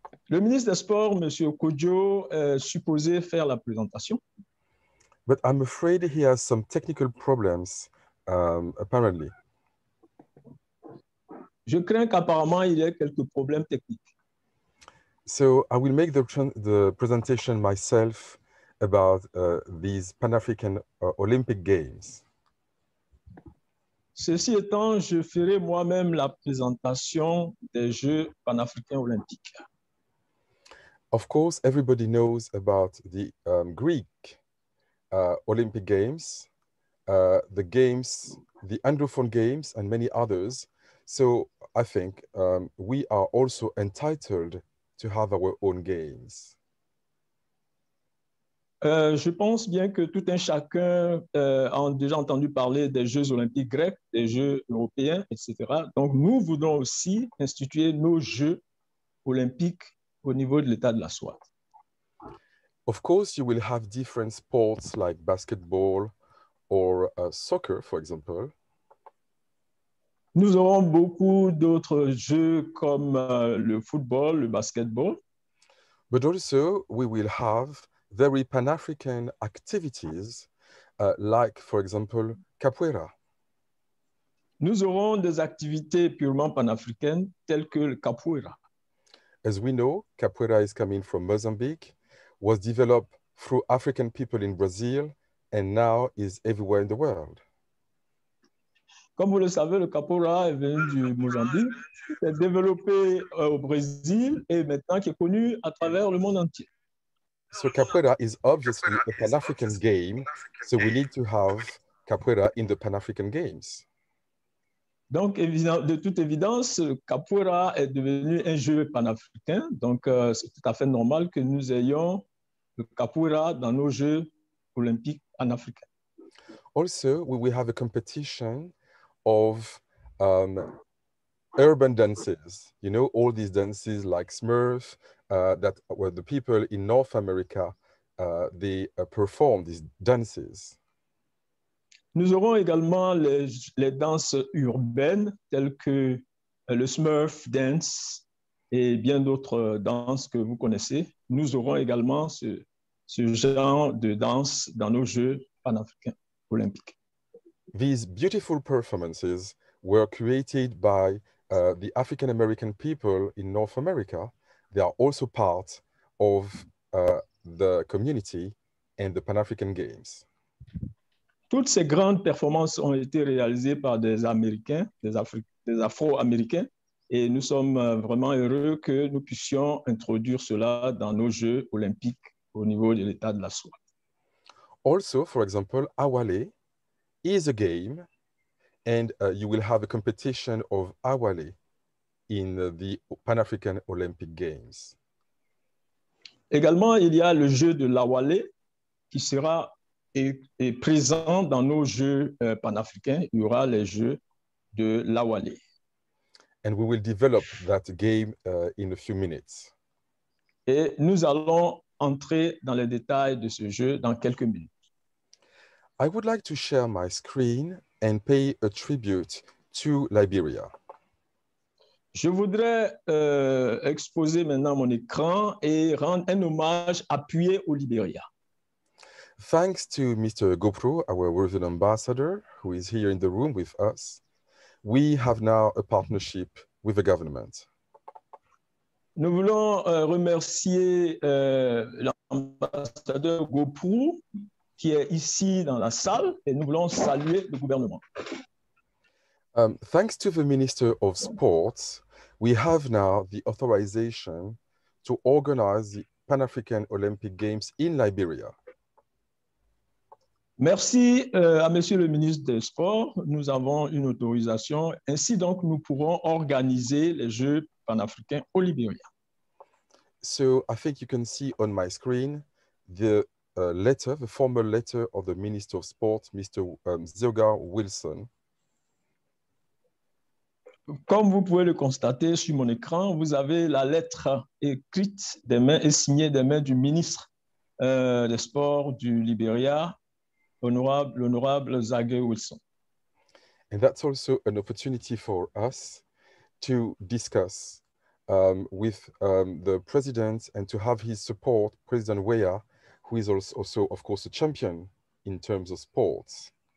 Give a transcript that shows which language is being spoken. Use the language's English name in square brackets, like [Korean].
[French] Le ministre des Sports, Monsieur Kodjo, est supposé faire la présentation. [English] But I'm afraid he has some technical problems, apparently. [French] Je crains qu'apparemment il y ait quelques problèmes techniques. [English] So I will make the presentation myself about these Pan-African Olympic Games. [French] Ceci étant, je ferai moi-même la présentation des Jeux Pan-Africains Olympiques. [English] Of course, everybody knows about the Greek Olympic Games, the Games, the Anglophone Games, and many others. So I think we are also entitled to have our own games. [French] Je pense bien que tout un chacun a déjà entendu parler des Jeux Olympiques grecs, des Jeux européens, etc. Donc nous voulons aussi instituer nos Jeux Olympiques au niveau de l'état de la soie. [English] Of course, you will have different sports like basketball or soccer, for example. [French] Nous aurons beaucoup d'autres jeux comme le football, le basketball. [English] But also, we will have very Pan-African activities like, for example, capoeira. [French] Nous aurons des activités purement panafricaines telles que le capoeira. [English] As we know, capoeira is coming from Mozambique, was developed through African people in Brazil, and now is everywhere in the world. [French] Comme vous le savez, le capoeira est venu du Mozambique, s'est développé au Brésil et maintenant qui est connu à travers le monde entier. [English] So capoeira is obviously a Pan-African game, so we need to have capoeira in the Pan-African Games. [French] Donc, de toute évidence, capoeira est devenu un jeu panafricain. Donc, c'est tout à fait normal que nous ayons le capoeira dans nos Jeux Olympiques panafricains. [English] Also, we will have a competition of urban dances. You know, all these dances like Smurf, that were the people in North America, they perform these dances. [French] Nous aurons également les danses urbaines telles que le Smurf dance et bien d'autres danses que vous connaissez. Nous aurons également ce genre de danse dans nos Jeux panafricains olympiques. [English] These beautiful performances were created by the African American people in North America. They are also part of the community and the Pan-African Games. [French] Toutes ces grandes performances ont été réalisées par des Américains, des Afro-Américains, et nous sommes vraiment heureux que nous puissions introduire cela dans nos Jeux Olympiques au niveau de l'état de la soie. [English] Also, for example, Awale is a game, and you will have a competition of Awale in the Pan-African Olympic Games. [French] Également, il y a le jeu de l'Awale qui sera est présent dans nos Jeux panafricains. Il y aura les Jeux de l'Awale. [English] And we will develop that game in a few minutes. [French] Et nous allons entrer dans les détails de ce jeu dans quelques minutes. [English] I would like to share my screen and pay a tribute to Liberia. [French] Je voudrais exposer maintenant mon écran et rendre un hommage appuyé au Liberia. [English] Thanks to Mr. Gopro, our Worthy Ambassador, who is here in the room with us, we have now a partnership with the government. [French] Nous voulons remercier l'ambassadeur Gopro qui est ici dans la salle et nous voulons saluer le gouvernement. [English] Thanks to the Minister of Sports, we have now the authorization to organize the Pan-African Olympic Games in Liberia. [French] Merci à Monsieur le ministre des Sports. Nous avons une autorisation. Ainsi donc, nous pourrons organiser les Jeux panafricains au Liberia. [English] So, I think you can see on my screen the letter, the formal letter of the Minister of Sport, Mr. Zoga Wilson. [French] Comme vous pouvez le constater sur mon écran, vous avez la lettre écrite des mains et signée des mains du ministre des Sports du Liberia, l'honorable Zage Wilson. [English] And that's also an opportunity for us to discuss with the president and to have his support, President Weah, who is also, of course, a champion in terms of sports.